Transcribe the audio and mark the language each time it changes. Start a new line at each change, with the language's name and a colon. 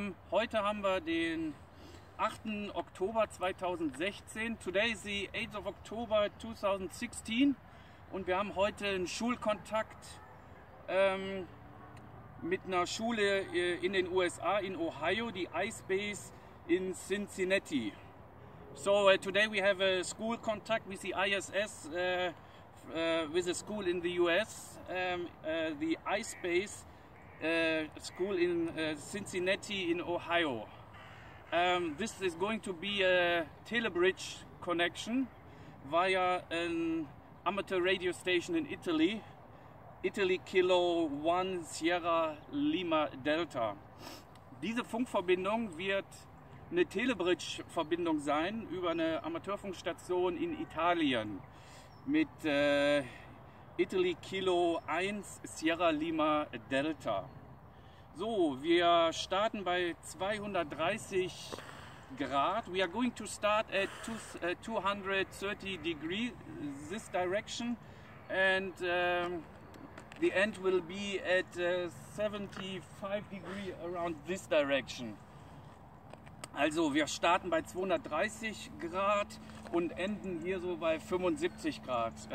German: Heute haben wir den 8. Oktober 2016.
English: Today is the 8th of October 2016.
German: Und wir haben heute einen Schulkontakt mit einer Schule in den USA, in Ohio, die ISpace in Cincinnati.
English: So today we have a school contact with the ISS, with a school in the US, the ISpace school in Cincinnati in Ohio. This is going to be a telebridge connection via an amateur radio station in Italy, Italy Kilo 1 Sierra Lima Delta.
German: Diese Funkverbindung wird eine Telebridge-Verbindung sein über eine Amateurfunkstation in Italien mit Italy Kilo 1 Sierra Lima Delta. So, wir starten bei 230 Grad.
English: We are going to start at 230 degrees this direction and the end will be at 75 degrees around this direction.
German: Also wir starten bei 230 Grad und enden hier so bei 75 Grad.